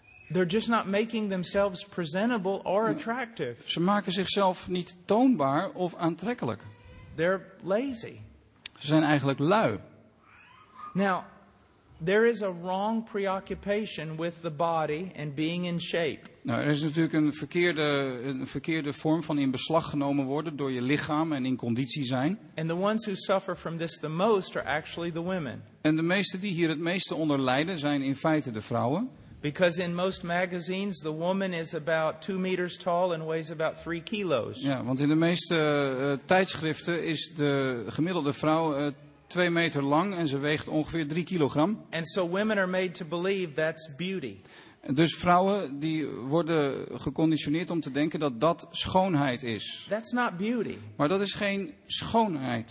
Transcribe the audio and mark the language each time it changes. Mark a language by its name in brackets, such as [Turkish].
[English] They're just not making themselves presentable or attractive. [Dutch] Ze maken zichzelf niet toonbaar of aantrekkelijk. [English] They're lazy. [Dutch] Ze zijn eigenlijk lui. [English] Now, there is a wrong preoccupation with the body and being in shape. [Dutch] Nou, er is natuurlijk een verkeerde vorm van in beslag genomen worden door je lichaam en in conditie zijn. [English] And the ones who suffer from this the most are actually the women. [Dutch] En de meesten die hier het meeste onder lijden zijn in feite de vrouwen. [English] Because in most magazines the woman is about 2 meters tall and weighs about 3 kilos. [Dutch] Ja, want in de meeste tijdschriften is de gemiddelde vrouw 2 meter lang en ze weegt ongeveer 3 kilogram. [English] And so women are made to believe that's beauty. [Dutch] Dus vrouwen die worden geconditioneerd om te denken dat dat schoonheid is. [English] That's not beauty. [Dutch] Maar dat is geen schoonheid.